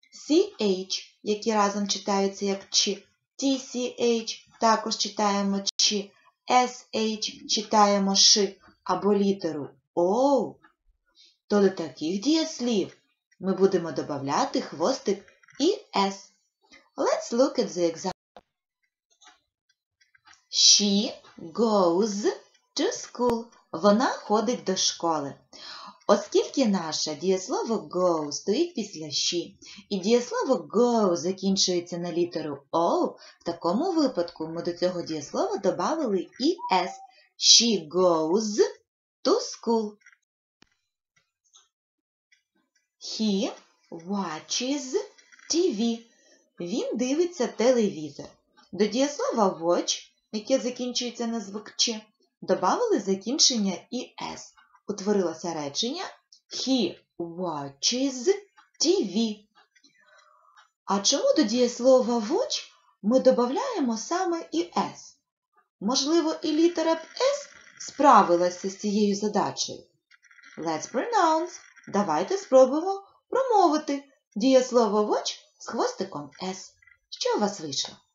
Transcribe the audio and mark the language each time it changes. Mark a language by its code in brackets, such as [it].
[uk] «ch», які разом читаються як «ch», «tch», також читаємо «ch», «sh», читаємо «sh», або літеру «o», то до таких дієслів ми будемо додавати хвостик «es». [en] Let's look at the example. «She goes to school». [uk] Вона ходить до школи. Оскільки наше дієслово «go» стоїть після «she» і дієслово «go» закінчується на літеру «o», в такому випадку ми до цього дієслова додали «es». [en] «She goes to school». «He watches TV». [uk] Він дивиться телевізор. До дієслова «watch», яке закінчується на звук «ч», додали закінчення «es». Утворилося речення [en] «He watches TV». [uk] А чому до дієслова «watch» ми додаємо саме «es»? Можливо, і літера «s» справилася з цією задачею? [en] Let's pronounce. [uk] Давайте спробуємо промовити дієслово «watch» з хвостиком «s». Що у вас вийшло?